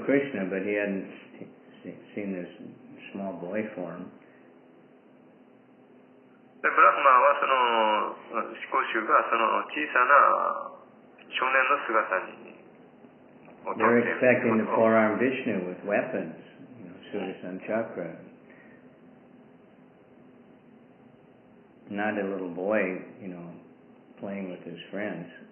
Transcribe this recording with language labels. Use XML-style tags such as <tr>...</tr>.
<en>Brahma knew Krishna, but he hadn't seen this small boy form.</en> <ja>で、ブラフマはその、思考衆がその小さな少年の姿に、</ja> <en>They're expecting the four-armed Vishnu with weapons, you know, Sudarshan Chakra. Not a little boy, you know, playing with his friends.</en>